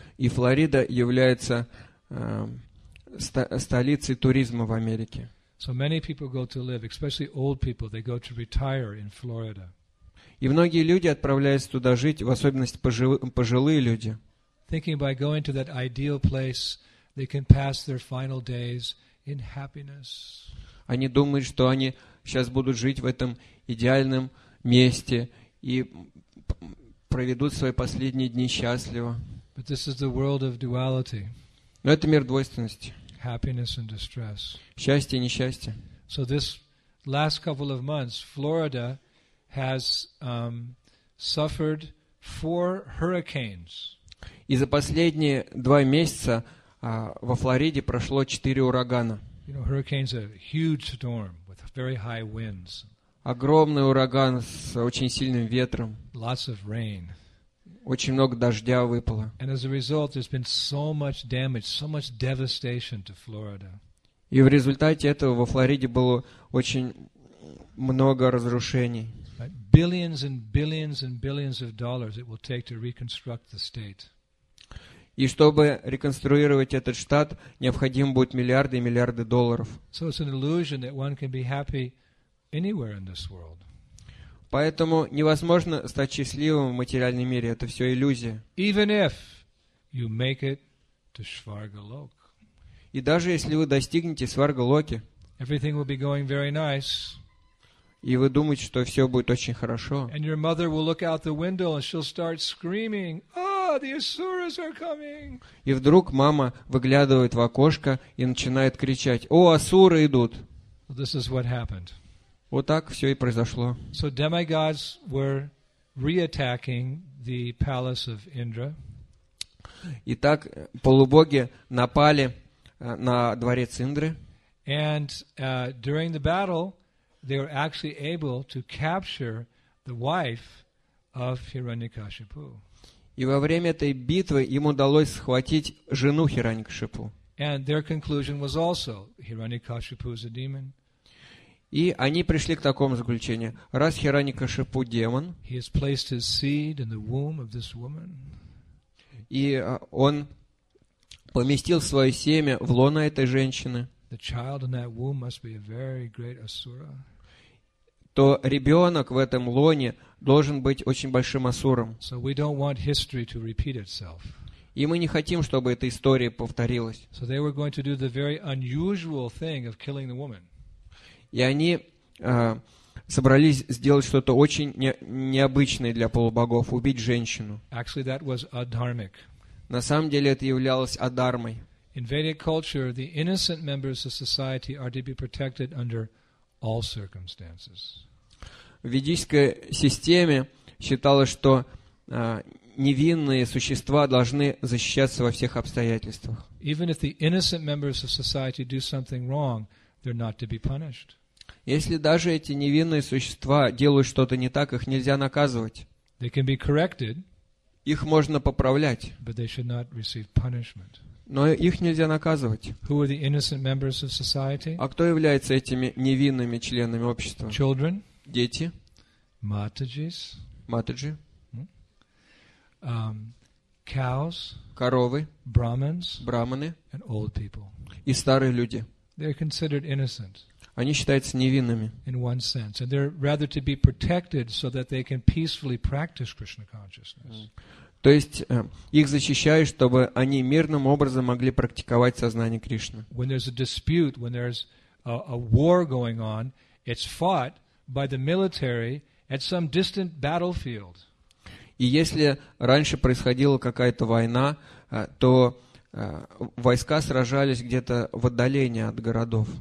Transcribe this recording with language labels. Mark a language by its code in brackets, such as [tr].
[ru] И Флорида является столицей туризма в Америке. [en] So many people go to live, especially old people, they go to retire in Florida. [ru] И многие люди отправляются туда жить, в особенности пожилые люди. [en] Thinking by going to that ideal place, they can pass their final days in happiness. [ru] Они думают, что они сейчас будут жить в этом идеальном месте и проведут свои последние дни счастливо. [en] But this is the world of duality. [ru] Но это мир двойственности. [en] Happiness and distress. [ru] Счастье и несчастье. [en] So this last couple of months, Florida has suffered 4 hurricanes. [ru] И за последние 2 месяца во Флориде прошло 4 урагана. [en] You know, hurricanes are a huge storm with very high winds. [ru] Огромный ураган с очень сильным ветром. [en] Lots of rain. [ru] Очень много дождя выпало. [en] And as a result, there's been so much damage, so much devastation to Florida. [ru] И в результате этого во Флориде было очень много разрушений. [en] Right? Billions and billions and billions of dollars it will take to reconstruct the state. [ru] И чтобы реконструировать этот штат, необходимо будет миллиарды и миллиарды долларов. [en] So it's an illusion that one can be happy anywhere in this world. [ru] Поэтому невозможно стать счастливым в материальном мире. Это все иллюзия. [en] Even if you make it to Svargalok. [ru] И даже если вы достигнете Сваргалоки, [en] everything will be going very nice. [ru] И вы думаете, что все будет очень хорошо. [en] And your mother will look out the window and she'll start screaming, "Oh, the asuras are coming!" [ru] И вдруг мама выглядывает в окошко и начинает кричать: "О, асуры идут!" [en] Well, this is what happened. [ru] Вот так все и произошло. [en] So demigods were re-attacking the palace of Indra. [ru] Итак, полубоги напали на дворец Индры. [en] And during the battle, they were actually able to capture the wife of Hiranyakashipu. [ru] И во время этой битвы им удалось схватить жену Хираньякашипу. [en] And their conclusion was also Hiranyakashipu is a demon. [ru] И они пришли к такому заключению: раз Хираньякашипу демон, [en] he has placed his seed in the womb of this woman. [ru] И он поместил свое семя в лоно этой женщины. [en] The child in that womb must be a very great asura. [ru] То ребенок в этом лоне должен быть очень большим асуром. [en] So we don't want history to repeat itself. [ru] И мы не хотим, чтобы эта история повторилась. [en] So they were going to do the very unusual thing of killing the woman. [ru] И они собрались сделать что-то очень необычное для полубогов – убить женщину. [en] Actually, that was adharmic. [ru] На самом деле это являлось адхармой. [en] In Vedic culture, the innocent members of society are to be protected under all circumstances. [ru] В ведической системе считалось, что невинные существа должны защищаться во всех обстоятельствах. [en] Even if the innocent members of society do something wrong, they're not to be punished. [ru] Если даже эти невинные существа делают что-то не так, их нельзя наказывать. [en] They can be corrected, [ru] их можно поправлять. [en] But they should not receive punishment. [ru] Но их нельзя наказывать. [en] Who are the innocent members of society? [ru] А кто является этими невинными членами общества? [en] Children, [ru] дети. [en] Матаджис. [ru] Матаджи. [en] Cows, [ru] коровы, [en] Brahmins, [ru] браманы, [en] and old people. [ru] И старые люди. [en] They're considered innocent. [ru] Они считаются невинными. [en] In one sense, and they're rather to be protected so that they can peacefully practice Krishna consciousness. [ru] То есть их защищают, чтобы они мирным образом могли практиковать сознание Кришны. [en] When there's a dispute, when there's a war going on, it's fought by the military at some distant battlefield. [ru] И если раньше происходила какая-то война, то войска сражались где-то в отдалении от городов.